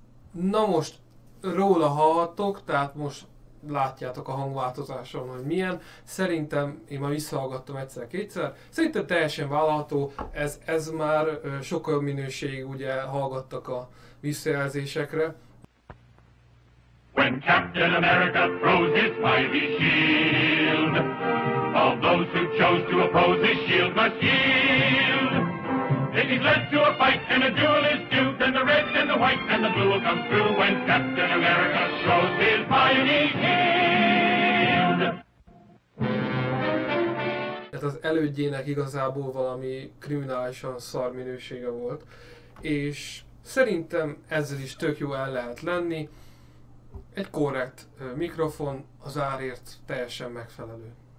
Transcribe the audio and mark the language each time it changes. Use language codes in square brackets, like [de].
[hu] Na most róla hallhattok, tehát most látjátok a hangváltozáson, hogy milyen. Szerintem, én már visszahallgattam egyszer-kétszer, szerintem teljesen vállalható, ez már sokkal jobb minőség, ugye hallgattak a visszajelzésekre. [en] When Captain America throws his mighty shield, all those who chose to oppose his shield must yield. If he's led to a fight and a duel is due, then the red and the white and the blue will come through when Captain America throws his mighty shield. [hu] Tehát az elődjének igazából valami kriminálisan szar minősége volt, és szerintem ezzel is tök jó el lehet lenni. Egy korrekt mikrofon, az árért teljesen megfelelő.